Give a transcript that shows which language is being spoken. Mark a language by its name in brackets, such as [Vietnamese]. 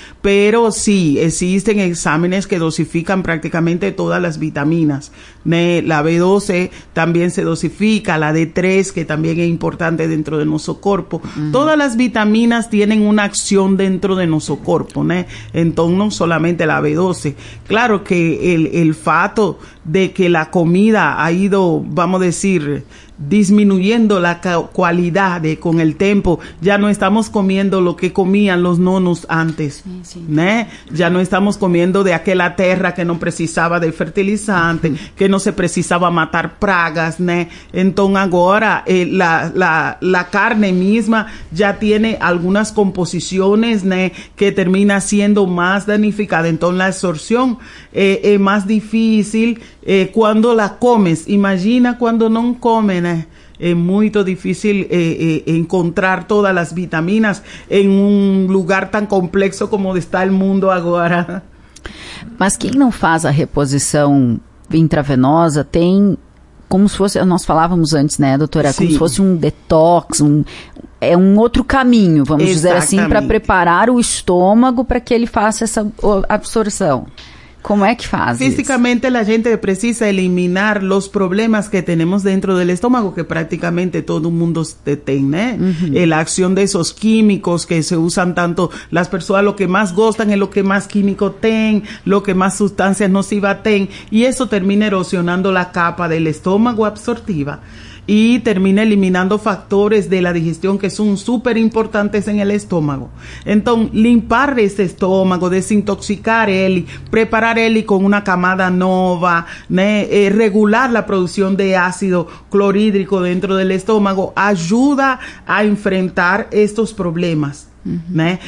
[Portuguese] Pero sí, existem exámenes que dosificam praticamente todas as vitaminas, né? A B12 também se dosifica, a D3, que também é importante dentro de nosso corpo. Uh-huh. Todas as vitaminas têm uma ação dentro de nosso corpo, né? Então, não solamente a B12. [Spanish] Claro que el fato de que la comida ha ido, vamos a decir, disminuyendo la calidad de, con el tiempo, ya no estamos comiendo lo que comían los nonos antes, ¿no? Ya no estamos comiendo de aquella tierra que no precisaba de fertilizante, que no se precisaba matar pragas, ¿no? Entonces ahora la carne misma ya tiene algunas composiciones, ¿no?, que termina siendo más danificada. Entonces la absorción es más difícil cuando la comes. Imagina cuando no comes, ¿no? [Portuguese] É muito difícil encontrar todas as vitaminas em um lugar tão complexo como está o mundo agora. Mas quem não faz a reposição intravenosa tem como se fosse, nós falávamos antes, né, doutora, como, sim, se fosse um detox, é um outro caminho, vamos, exatamente, dizer assim, para preparar o estômago para que ele faça essa absorção. Como é que faz? Fisicamente, a gente precisa eliminar os problemas que temos dentro do estômago, que praticamente todo mundo tem, né? Uh-huh. A ação desses químicos que se usam tanto, as pessoas o que mais gostam é o que mais químico tem, o que mais sustâncias nocivas tem, e isso termina erosionando a capa do estômago absortiva. [Spanish] Y termina eliminando factores de la digestión que son súper importantes en el estómago. Entonces, limpar ese estómago, desintoxicar él, preparar él con una camada nueva, ¿no?, regular la producción de ácido clorhídrico dentro del estómago, ayuda a enfrentar estos problemas, ¿no?